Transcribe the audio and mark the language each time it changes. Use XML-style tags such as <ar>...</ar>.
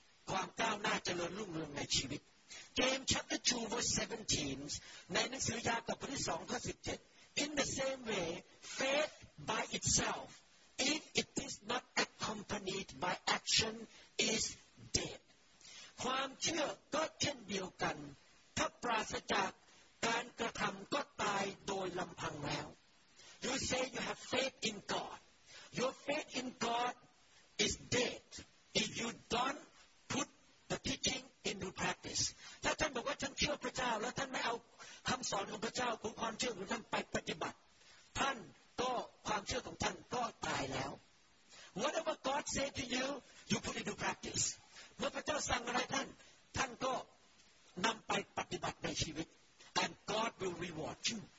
<th>ความก้าวหน้าเจริญรุ่งเรืองในชีวิต</th> <en>เจมส์ chapter 2 verse 17</en> <th>ในหนังสือยากอบบทที่2ข้อ17</th> <en>In the same way faith by itself if it is not accompanied by action is dead</en> <th>ความเชื่อก็เช่นเดียวกันถ้าปราศจากการกระทำก็ตายโดยลำพังแล้ว</th> <en>You say you have faith in God. Your faith in God is dead if you don't put the teaching into practice.</en> <th>ถ้าท่านบอกว่าท่านเชื่อพระเจ้าแล้วท่านไม่เอาคำสอนของพระเจ้าของความเชื่อของท่านไปปฏิบัติท่านก็ความเชื่อของท่านก็ตายแล้ว</th> <en>Whatever God say to you, you put into practice.</en> <th>เมื่อพระเจ้าสั่งอะไรท่านท่านก็นำไปปฏิบัติในชีวิต</th> <en>and God will reward you.</en>